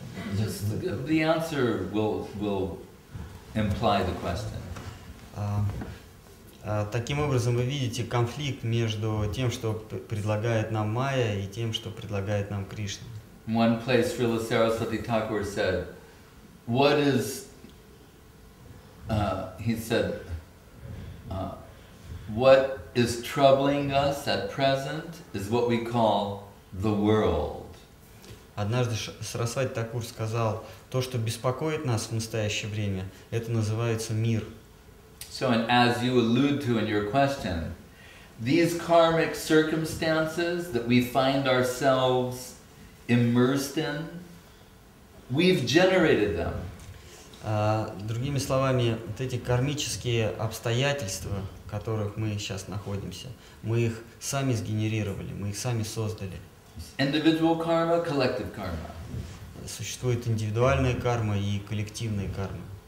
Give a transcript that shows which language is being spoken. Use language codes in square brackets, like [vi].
[en] The answer will imply the question. [ru] Таким образом, вы видите конфликт между тем, что предлагает нам Майя, и тем, что предлагает нам Кришна. [en] One place Srila Saraswati Thakur said, "What is?" He said, "What is troubling us at present is what we call the world." [ru] Однажды Сарасвати Такур сказал, то, что беспокоит нас в настоящее время, это называется мир. [en] So, and as you allude to in your question, these karmic circumstances that we find ourselves immersed in, we've generated them. [ru] Другими словами, вот эти кармические обстоятельства, в которых мы сейчас находимся, мы их сами сгенерировали, мы их сами создали. [en] Individual karma, collective karma. [ru] Существует индивидуальная карма и коллективная карма.